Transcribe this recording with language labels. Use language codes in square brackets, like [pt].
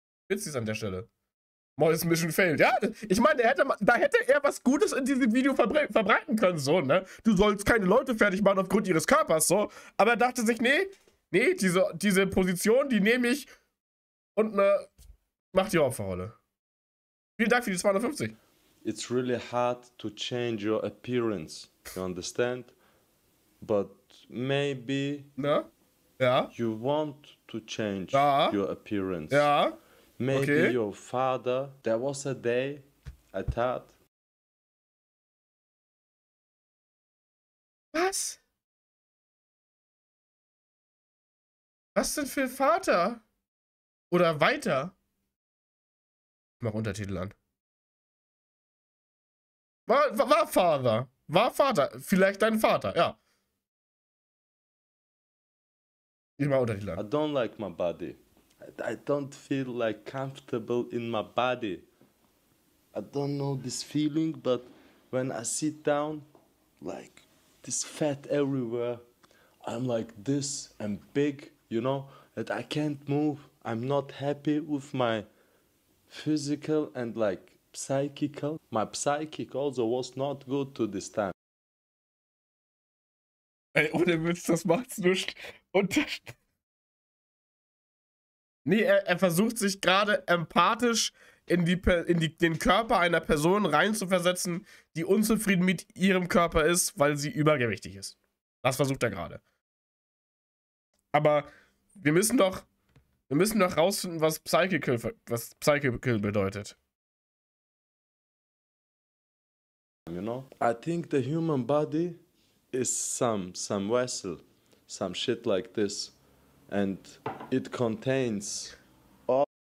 [de] Witzig ist an der Stelle. Mois [en] Mission failed. [de] Ja, ich meine, da hätte er was Gutes in diesem Video verbreiten können, so, ne? Du sollst keine Leute fertig machen aufgrund ihres Körpers, so. Aber er dachte sich, nee, diese Position, die nehme ich und ne, mach die Opferrolle. Vielen Dank für die 250. [en] It's really hard to change your appearance, you understand? But maybe... [de] Ne? Ja. [en] You want to change your appearance. [de] Ja. [en] Maybe your father. There was a day I thought. [de] Was? Was denn für Vater? Oder weiter? Ich mach Untertitel an. War Vater. War Vater. Vielleicht dein Vater, ja. Immer unter die Latte. [en] I don't like my body. I don't feel like comfortable in my body. I don't know this feeling, but when I sit down, like this fat everywhere, I'm like this and big, you know, that I can't move. I'm not happy with my physical and like psychical. My psychic also was not good to this time. [de] Ey, ohne Witz, das macht's nicht. Und das... Nee, er versucht sich gerade empathisch in den Körper einer Person reinzuversetzen, die unzufrieden mit ihrem Körper ist, weil sie übergewichtig ist. Das versucht er gerade. Aber wir müssen doch rausfinden, was Psychical bedeutet. [en] You know, I think the human body is some vessel, some shit like this, and it contains all.